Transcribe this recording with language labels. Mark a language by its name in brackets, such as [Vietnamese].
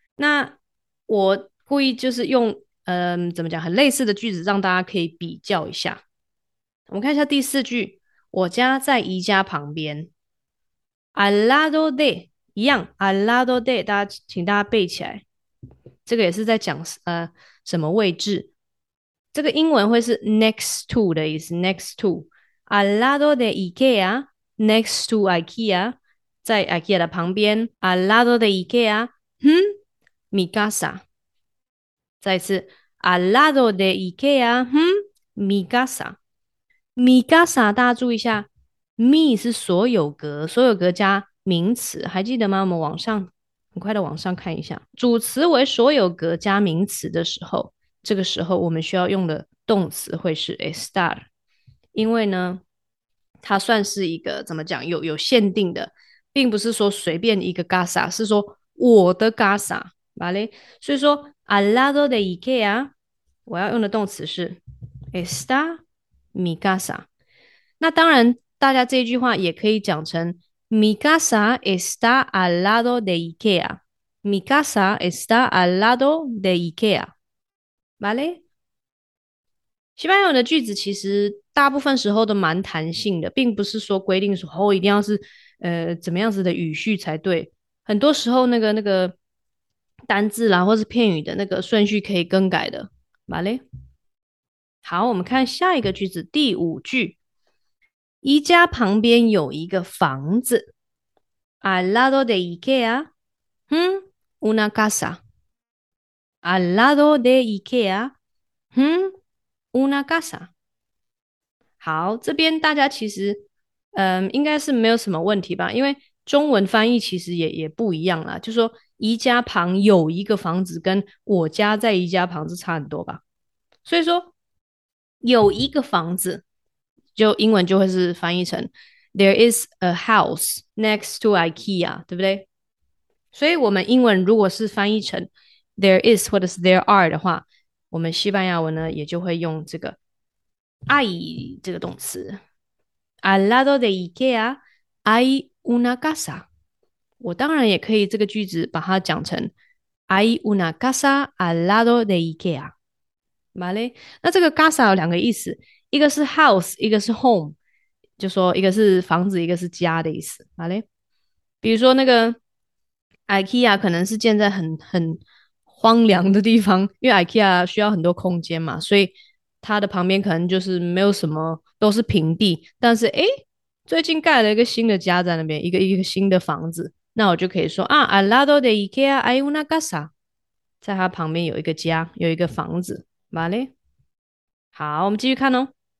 [Chinese] 那我故意就是用怎么讲，很类似的句子，让大家可以比较一下。我们看一下第四句。我家在宜家旁边 ， [Spanish] al lado de [Chinese] 一样 ，al lado de， 大家请大家背起来，这个也是在讲什么位置？这个英文会是 [English] next to [Spanish] 的意思 ，next to al lado de IKEA， next to IKEA， [Chinese] 在 IKEA 的旁边 [Spanish] ，al lado de IKEA， mi casa， [Chinese] 再一次 [Spanish] al lado de IKEA， mi casa。 [Chinese] mi casa， 大家注意一下 ，mi 是所有格，所有格加名词，还记得吗？我们往上很快的往上看一下，主词为所有格加名词的时候，这个时候我们需要用的动词会是 estar， 因为呢它算是一个怎么讲 有限定的，并不是说随便一个 casa， 是说我的 casa， vale？所以说 [Spanish] al lado de Ikea [Chinese] 我要用的动词是 [Spanish] está mi casa。 [Chinese] 那当然大家这一句话也可以讲成 [Spanish] mi casa está al lado de Ikea， mi casa está al lado de Ikea， vale？ [Chinese] 西班牙的句子其实大部分时候都蛮弹性的，并不是说规定说哦一定要是怎么样子的语序才对，很多时候那个单字啦或是片语的那个顺序可以更改的。马勒，好，我们看下一个句子，第五句，宜家旁边有一个房子 ， [Spanish] al lado de Ikea， una casa， [Chinese] al lado de Ikea， una casa。好，这边大家其实应该是没有什么问题吧，因为中文翻译其实也不一样啦，就说宜家旁有一个房子跟我家在宜家旁是差很多吧，所以说有一个房子就英文就会是翻译成 [English] There is a house next to IKEA， [Chinese] 对不对？所以我们英文如果是翻译成 [English] There is [Chinese] 或者是 [English] there are [Chinese] 的话，我们西班牙文呢也就会用这个hay 这个动词 [Spanish] al lado de Ikea hay una casa。 [Chinese] 我当然也可以这个句子把它讲成 [Spanish] hay una casa al lado de Ikea， [Chinese] vale？那这个 casa 有两个意思，一个是 house， 一个是 home， 就说一个是房子一个是家的意思， vale？比如说那个 IKEA 可能是建在很荒凉的地方，因为 IKEA 需要很多空间嘛，所以它的旁边可能就是没有什么，都是平地，但是诶，最近盖了一个新的家在那边，一个新的房子，那我就可以说啊 [Spanish] al lado de Ikea hay una casa， [Chinese] 在它旁边有一个家，有一个房子， vale？ 好，我们继续看哦。